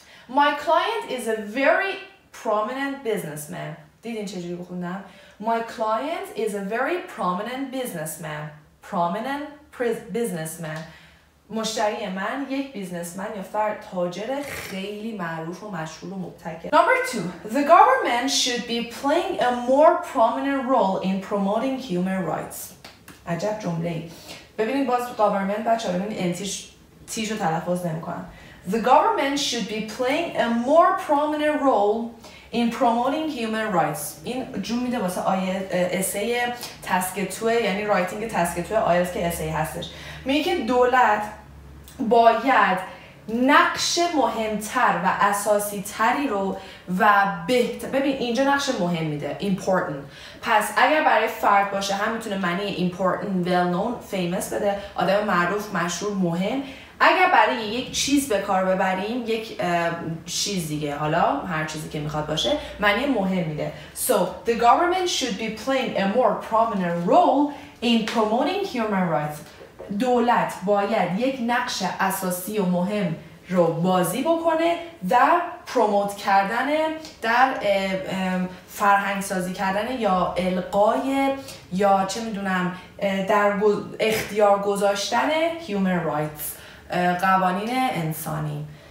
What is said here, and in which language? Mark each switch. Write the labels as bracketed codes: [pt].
[en] My client is a very prominent businessman. [fa] دیدین چجوری بخوندم؟ [en] My client is a very prominent businessman. Prominent businessman. [fa] مشتری من یک بیزنسمن یا فرد تاجر خیلی معروف و مشهور و مبتکر. [en] Number 2. The government should be playing a more prominent role in promoting human rights. [fa] عجب جمله. ببینید باز government، بچه ببینید انتیش تیشو تلفظ نمی کنم. [en] The government should be playing a more prominent role in promoting human rights. [fa] این جون میده واسه اسه تسک توه، یعنی رایتینگ تسک توه آیلتس که اسه هستش. میگه که دولت باید نقش مهمتر و اساسی تری رو و بهتر، ببین اینجا نقش مهم میده important. پس اگر برای فرد باشه هم میتونه معنی [en] important well known famous [fa] بده، آدم معروف مشهور مهم. اگر برای یک چیز به کار ببریم، یک چیز دیگه، حالا هر چیزی که میخواد باشه، معنی مهم میده. [en] So, the government should be playing a more prominent role in promoting human rights. [fa] دولت باید یک نقش اساسی و مهم رو بازی بکنه در پروموت کردن، در فرهنگ سازی کردن یا القای یا چه میدونم در اختیار گذاشتن human rights، قوانین انسانی.